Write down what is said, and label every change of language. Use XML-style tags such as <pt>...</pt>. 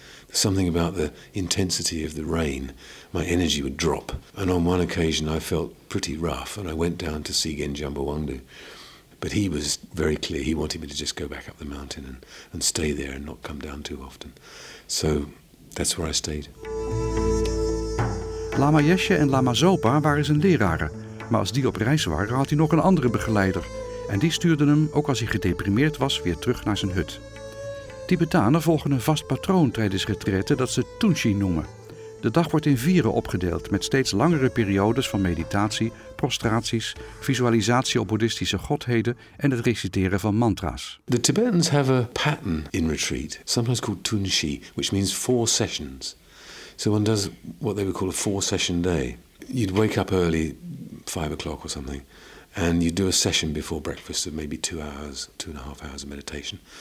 <en>Something about the intensity of the rain, my energy would drop. And on one occasion, I felt pretty rough, and I went down to see Genjampa Wangdu. But he was very clear. He wanted me to just go back up the mountain and stay there and not come down too often. So that's where I stayed.</en> <nl>Lama Yeshe en Lama Zopa waren zijn leraren. Maar als die op reis waren, had hij nog een andere begeleider. En die stuurde hem, ook als hij gedeprimeerd was, weer terug naar zijn hut. Tibetanen volgen een vast patroon tijdens retreten dat ze Tunshi noemen. De dag wordt in vieren opgedeeld met steeds langere periodes van meditatie, prostraties, visualisatie op boeddhistische godheden en het reciteren van mantra's.</nl> <en>The Tibetans have a pattern in retreat, sometimes called Tunshi, which means four sessions. So one does what they would call a four-session day. You'd wake up early, 5 o'clock or something, and you'd do a session before breakfast of maybe 2 hours, 2.5 hours of meditation.</en>